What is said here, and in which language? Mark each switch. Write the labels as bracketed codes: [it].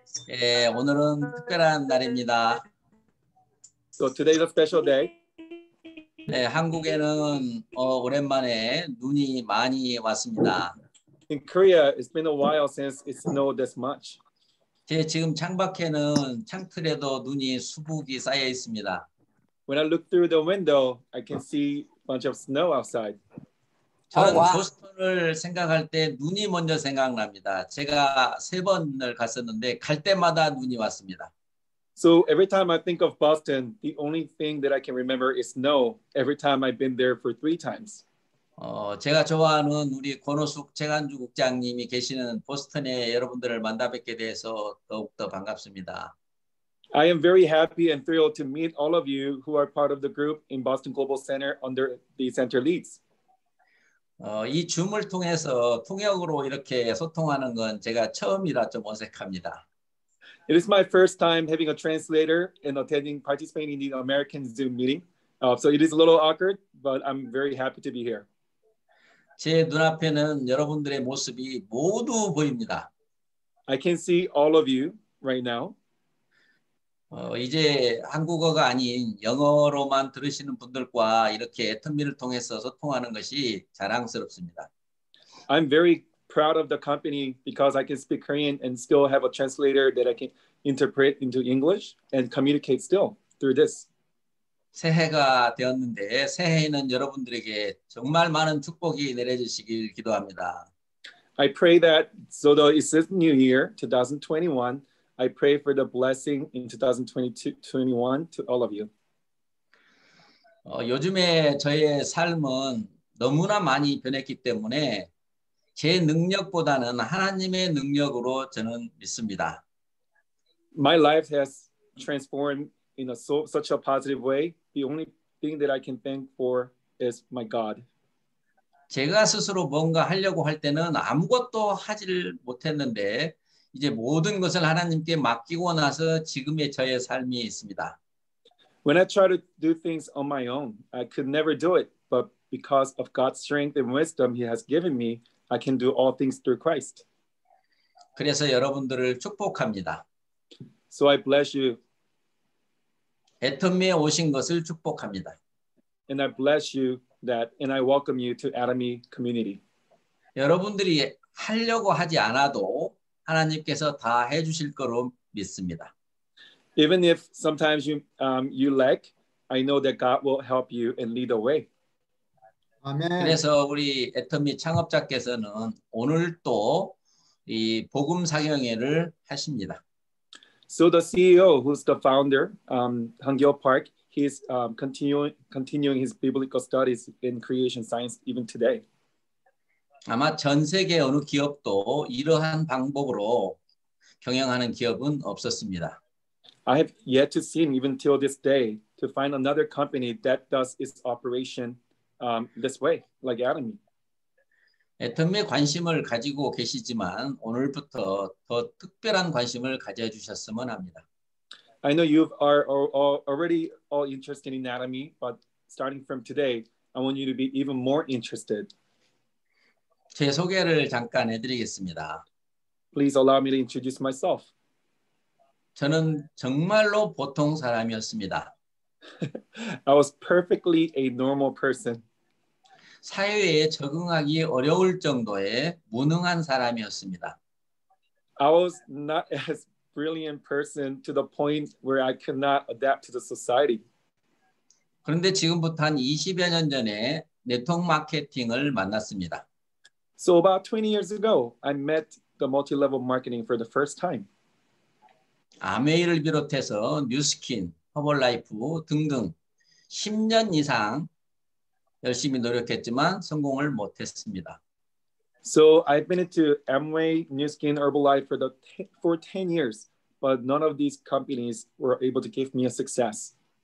[ko] 예, 오늘은 특별한 날입니다. [en] So today is a special day. [ko] 네, 한국에는 오랜만에 눈이 많이 왔습니다. [en] In Korea, it's been a while since it snowed this much. [ko] 제 지금 창밖에는 창틀에도 눈이 수북이 쌓여 있습니다. [en] When I look through the window, I can see a bunch of snow outside. [ko] 저는 조스턴을 생각할 때 눈이 먼저 생각납니다. 제가 세 번을 갔었는데 갈 때마다 눈이 왔습니다. [en] So every time I think of Boston, the only thing that I can remember is snow. Every time I've been there for three times. [ko] 제가 좋아하는 우리 권호숙 최간주 국장님이 계시는 보스턴에 여러분들을 만나 뵙게 돼서 더욱더 반갑습니다. [en] I am very happy and thrilled to meet all of you who are part of the group in Boston Global Center under the center leads. [ko] 이 줌을 통해서 통역으로 이렇게 소통하는 건 제가 처음이라 좀 어색합니다. [en] It is my first time having a translator and attending participating in the American Zoom meeting. So it is a little awkward, but I'm very happy to be here. [ko] 제 눈앞에는 여러분들의 모습이 모두 보입니다. [en] I can see all of you right now. [ko] 이제 한국어가 아닌 영어로만 들으시는 분들과 이렇게 애터미를 통해서 소통하는 것이 자랑스럽습니다. [en] I'm very proud of the company because I can speak Korean and still have a translator that I can interpret into English and communicate still through this. [ko] 새해가 되었는데 새해에는 여러분들에게 정말 많은 축복이 내려주시길 기도합니다. [en] I pray that so the it's this new year 2021. I pray for the blessing in 2022-21 to all of you. [ko] 요즘에 저의 삶은 너무나 많이 변했기 때문에 제 능력보다는 하나님의 능력으로 저는 믿습니다. [en] My life has transformed in such a positive way. The only thing that I can thank for is my God. [ko] 제가 스스로 뭔가 하려고 할 때는 아무것도 하질 못했는데 이제 모든 것을 하나님께 맡기고 나서 지금의 저의 삶이 있습니다. [en] When I try to do things on my own, I could never do it. But because of God's strength and wisdom he has given me, I can do all things through Christ. [ko] 그래서 여러분들을 축복합니다. [en] So I bless you. [ko] 애터미에 오신 것을 축복합니다. [en] And I bless you that and I welcome you to Atomy community. [ko] 여러분들이 하려고 하지 않아도 하나님께서 다 해 주실 거로 믿습니다. [en] Even if sometimes you lack, I know that God will help you and lead the way. [ko] 아멘. 그래서 우리 애터미 창업자께서는 오늘도 이 복음 사경회를 하십니다. [en] So the CEO who's the founder Hangyo Park he's continuing his biblical studies in creation science even today. [ko] 아마 전 세계 어느 기업도 이러한 방법으로 경영하는 기업은 없었습니다. [en] I have yet to see even till this day to find another company that does its operation this way like Atomy. [ko] 애터미에 관심을 가지고 계시지만 오늘부터 더 특별한 관심을 가져주셨으면 합니다. [en] I know you are already all interested in Atomy, but starting from today, I want you to be even more interested. [ko] 제 소개를 잠깐 해드리겠습니다. [en] Please allow me to introduce myself. [ko] 저는 정말로 보통 사람이었습니다. [en] I was perfectly a normal person. [ko] 사회에 적응하기 어려울 정도의 무능한 사람이었습니다. [en] I was not as brilliant person to the point where I could not adapt to the society. [ko] 그런데 지금부터 한 20여 년 전에 네트워크 마케팅을 만났습니다. [en] So about 20 years ago, I met the multi-level marketing for the first time. [ko] 아메이를 비롯해서 뉴스킨, 허벌라이프 등등 10년 이상 열심히 노력했지만 성공을 못했습니다. [en] So I've been into Amway, New Skin, Herbalife for 10 years, but none of these companies were able to give me a success.